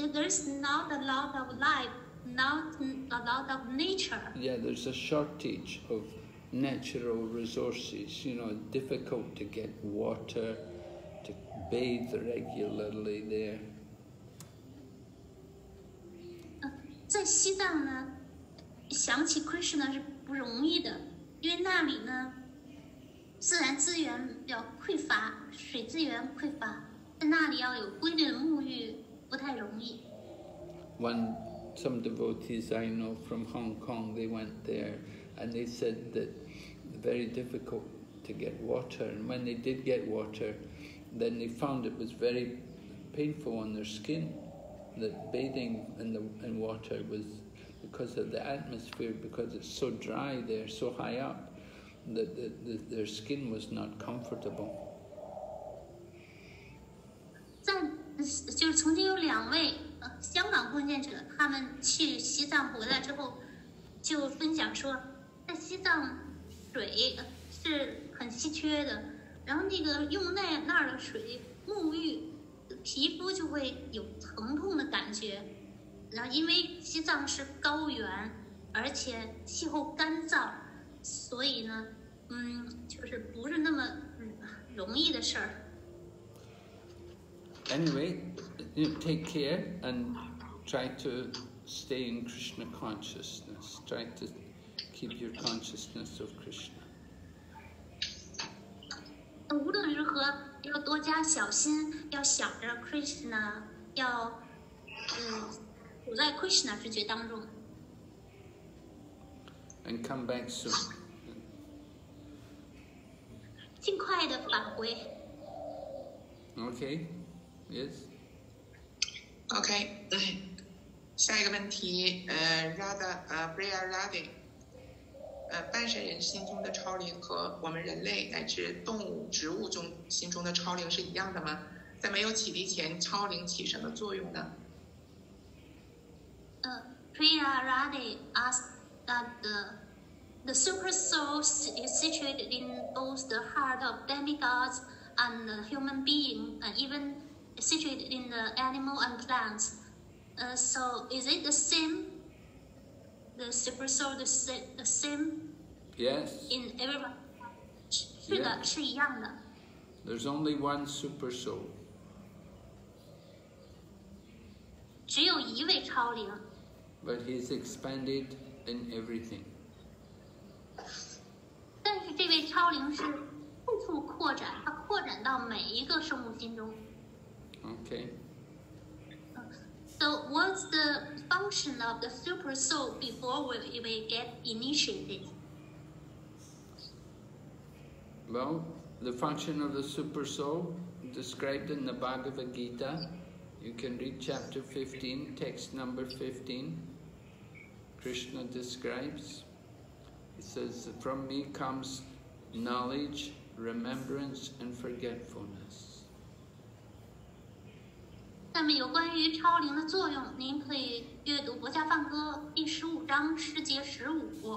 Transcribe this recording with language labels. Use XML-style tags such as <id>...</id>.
<en>There's not a lot of life, not a lot of nature. Yeah, there's a shortage of natural resources. You know, difficult to get water, to bathe regularly there.</en> <zh>在西藏呢，想起 Krishna 是不容易的，因为那里呢，自然资源比较匮乏，水资源匮乏，在那里要有规律的沐浴不太容易。</zh> <en>Some devotees I know from Hong Kong, they went there, and they said that very difficult to get water. And when they did get water, then they found it was very painful on their skin. That bathing in water was because of the atmosphere, because it's so dry there, so high up, that their skin was not comfortable.</en> <zh>在就是曾经有两位香港奉献者，他们去西藏回来之后，就分享说，在西藏水是很稀缺的，然后那个用那儿的水沐浴。皮肤就会有疼痛的感觉，然后因为西藏是高原，而且气候干燥，所以呢，就是不是那么容易的事儿。</zh> <en>Anyway, you take care and try to stay in Krishna consciousness. Try to keep your consciousness of Krishna.</en> <zh>无论如何。要多加小心，要想着 Krishna， 要处在 Krishna 知觉当中。</zh> <en>And come back soon。</en> <zh>尽快的返回。</zh> <en>Okay. Yes.</en> <zh>Okay. 下一个问题，Radha， Priya Radhi。半神人心中的超灵和我们人类乃至动物、植物中心中的超灵是一样的吗？在没有启迪前，超灵起什么作用呢？</zh> <en>Priya Radhi asked that the super soul is situated in both the heart of demigods and the human being, and even situated in the animal and plants. So is it the same? The super soul the same? Yes. In everyone? Yes.</en> <zh>是的，是一样的。</zh> <en>There's only one super soul.</en> <zh>只有一位超灵。</zh> <en>But he's expanded in everything.</en> <zh>但是这位超灵是处处扩展，它扩展到每一个生物心中。</zh> <en>Okay. So what's the function of the super soul before we get initiated? Well, the function of the super soul described in the Bhagavad Gita. You can read chapter 15, text number 15. Krishna describes. He says, from me comes knowledge, remembrance, and forgetfulness.</en> <zh>那么有关于超灵的作用，您可以阅读《薄伽梵歌》第十五章诗节十五。</zh>